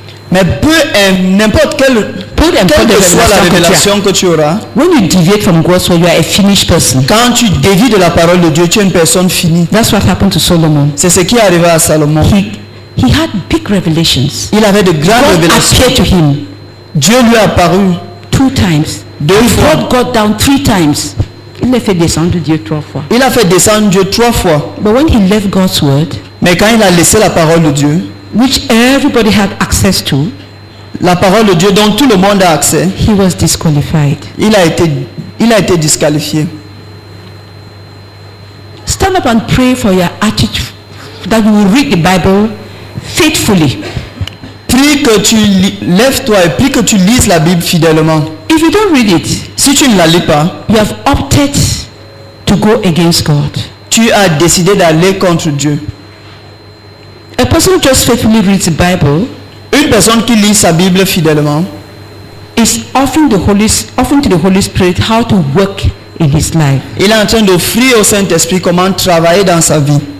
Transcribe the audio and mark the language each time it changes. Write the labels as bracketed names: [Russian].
[French] mais n'importe quelle que soit la révélation que tu auras, [English] when you deviate from God, so you are a finished person. [French] Quand tu dévies de la parole de Dieu, tu es une personne finie. [English] That's what happened to Solomon. [French] C'est ce qui est arrivé à Salomon. [English] He had big revelations. [French] Il avait de grandes révélations. [English] God appeared to him. [French] Dieu lui a apparu [English] two times. [French] Deux fois. [English] He brought God down three times. [French] Il a fait descendre Dieu trois fois. Il a fait descendre Dieu trois fois. [English] But when he left God's word, [French] mais quand il a laissé la parole de Dieu, [English] which everybody had access to, [French] la parole de Dieu dont tout le monde a accès. [English] He was disqualified. [French] Il a été disqualifié. [English] Stand up and pray for your attitude that you will read the Bible faithfully. [French] Prie que tu lèves-toi et prie que tu lises la Bible fidèlement. [English] If you don't read it, [French] si tu ne la lis pas, [English] you have opted to go against God. [French] Tu as décidé d'aller contre Dieu. [English] A person just faithfully reads the Bible. [French] Une personne qui lit sa Bible fidèlement [English] is offering to the Holy Spirit how to work in his life. [French] Il est en train d'offrir au Saint-Esprit comment travailler dans sa vie.